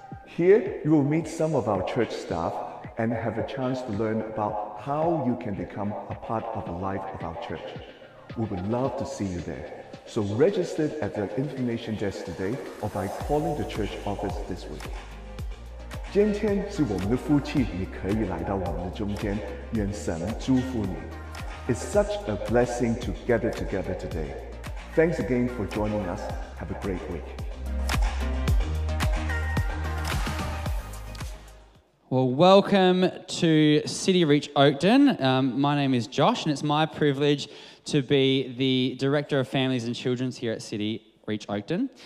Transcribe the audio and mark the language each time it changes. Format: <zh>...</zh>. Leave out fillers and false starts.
<en>Here, you will meet some of our church staff and have a chance to learn about how you can become a part of the life of our church. We would love to see you there. So register at the information desk today or by calling the church office this week.</en> <zh>今天是我们的福气，你可以来到我们的中间，愿神祝福你。</zh> <en>It's such a blessing to gather together today. Thanks again for joining us. Have a great week. Well, welcome to CityReach Oakden. My name is Josh, and it's my privilege to be the Director of Families and Children's here at CityReach Oakden.</en>